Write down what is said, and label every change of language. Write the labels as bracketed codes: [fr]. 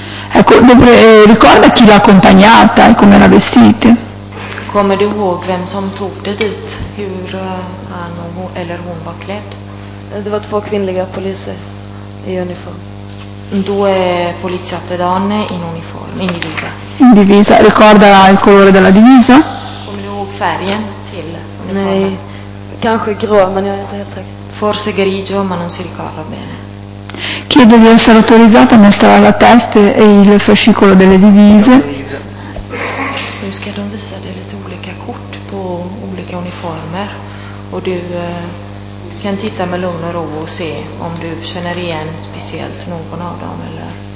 [it] Ecco, ricorda chi l'ha accompagnata e come era vestita. [sv] Kommer du ihåg vem som tog dig dit, hur han eller hon var klädd? Det var två kvinnliga poliser i uniform. [it] Due poliziotte donne in uniform, in divisa. In divisa. Ricorda il colore della divisa? [sv] Kommer du ihåg färgen till uniformen? Nej, kanske grå, men jag är inte helt säker. [it] Forse grigio, ma non si ricorda bene. Chiedo di essere autorizzata a mostrare la testa e il fascicolo delle divise. [sv] Nu ska de visa dig lite olika kort på olika uniformer och du kan titta med lugn och ro och se om du känner igen speciellt någon av dem eller.